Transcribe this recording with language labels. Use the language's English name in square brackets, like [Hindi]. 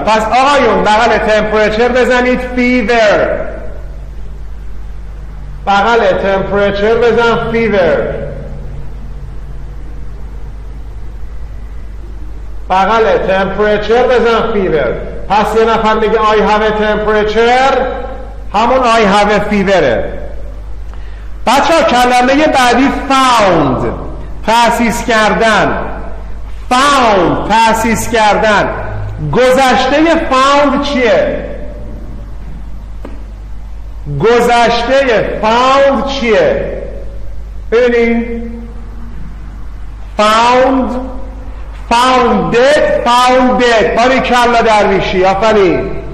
[Persian] پس آقایون بغل تمپریچر بزنید فیور، بغل تمپریچر بزن فیور، بغل temperature بزن fever. پس یه نفر میگه [English] I have a temperature، [Persian] همون [English] I have a fever. [Persian] بچه ها کلمه بعدی found، تأسیس کردن. found تأسیس کردن، گذشته found چیه؟ گذشته found چیه؟ ببینیم found، founded، founded، باری کلا درویشی، آفرین.